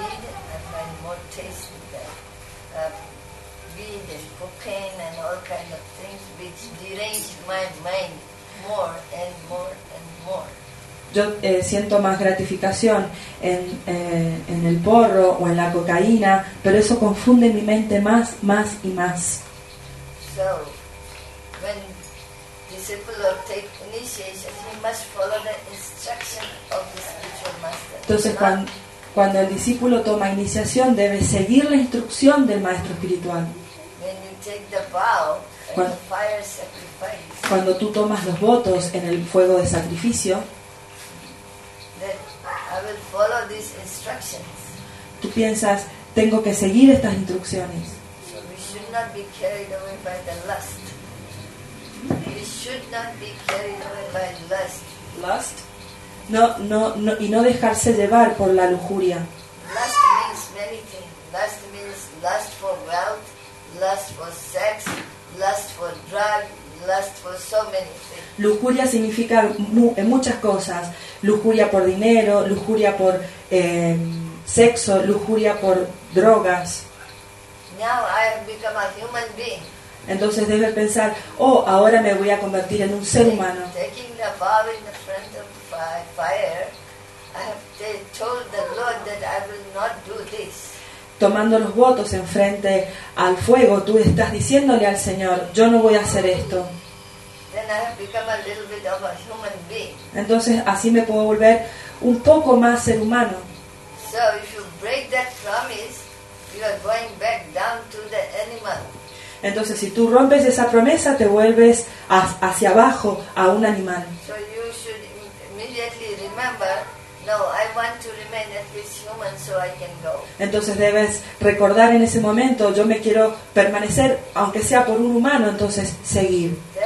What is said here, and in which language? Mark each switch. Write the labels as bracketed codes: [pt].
[en] I find more taste in the weed and cocaine and all kind of things which derange my mind more and more and more. [es] Yo siento más gratificación en el porro o en la cocaína, pero eso confunde mi mente más, más y más. [en] So, when disciple take initiation, he must follow the instruction of the spiritual master. [es] Entonces, cuando el discípulo toma iniciación, debe seguir la instrucción del maestro espiritual. [en] When you take the vow, cuando, the fire sacrifice, [es] cuando tú tomas los votos en el fuego de sacrificio, [en] I will follow these instructions. [es] Tú piensas, tengo que seguir estas instrucciones. [en] So we should not be carried away by the lust. We should not be carried away by lust. Lust? [es] No, no, no, y no dejarse llevar por la lujuria. [en] Lust means many things. Lust means lust for wealth, lust for sex, lust for drug, lust for so many things. [es] Lujuria significa muchas cosas. Lujuria por dinero, lujuria por sexo, lujuria por drogas. [en] Now I have become a human being. [es] Entonces debe pensar, oh, ahora me voy a convertir en un ser humano. [en] Taking the vow in the front of fire, I have told the Lord that I will not do this. [es] Tomando los votos en frente al fuego, tú estás diciéndole al Señor, yo no voy a hacer esto. [en] Then I have become a little bit of a human being. [es] Entonces así me puedo volver un poco más ser humano. [en] So if you break that promise, you are going back down to the animal. [es] Entonces si tú rompes esa promesa, te vuelves hacia abajo a un animal. [en] So you should immediately remember, no, I want to remain at least human so I can go. [es] Entonces debes recordar en ese momento, yo me quiero permanecer aunque sea por un humano, entonces seguir.